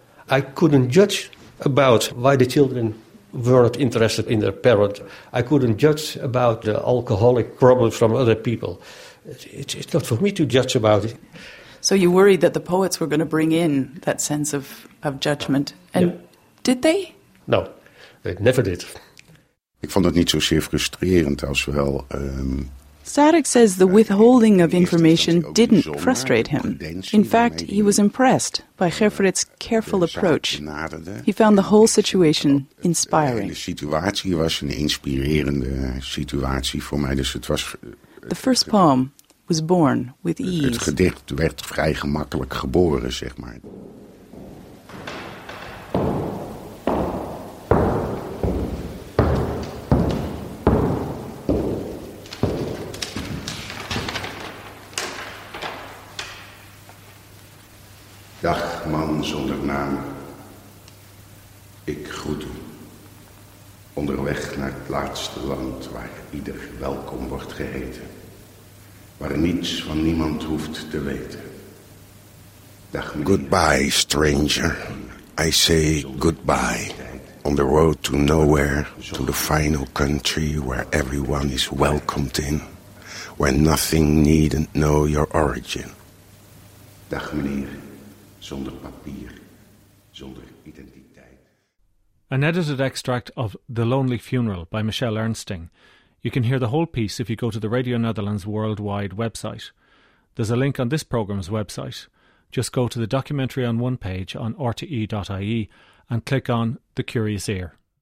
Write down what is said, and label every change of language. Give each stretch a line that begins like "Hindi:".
English: I couldn't judge about why the children weren't interested in their parent. I couldn't judge about the alcoholic problems from other people. It's not for me to judge about it. So you worried that the poets were going to bring in that sense of judgment. And did they? No, they never did.
Dutch: Ik vond het niet zozeer frustrerend als wel...
English: Sarek says the withholding of information didn't frustrate him. In fact, he was impressed by Gerfrit's careful approach. He found the whole situation inspiring.
Dutch: De situatie was een inspirerende situatie voor mij. Dus het was,
English: the first poem was born with ease.
Dutch: Het gedicht werd vrij gemakkelijk geboren, zeg maar. Dag, man zonder naam, ik groet u, onderweg naar het laatste land waar ieder welkom wordt geheten, waar niets van niemand hoeft te weten. Dag, meneer.
English: Goodbye, stranger, I say goodbye, on the road to nowhere, to the final country where everyone is welcomed in, where nothing needn't know your origin.
Dutch: Dag, meneer. Zonder papier, zonder identiteit.
English: An edited extract of The Lonely Funeral by Michelle Ernsting. You can hear the whole piece if you go to the Radio Netherlands Worldwide website. There's a link on this program's website. Just go to the documentary on one page on rte.ie and click on The Curious Ear.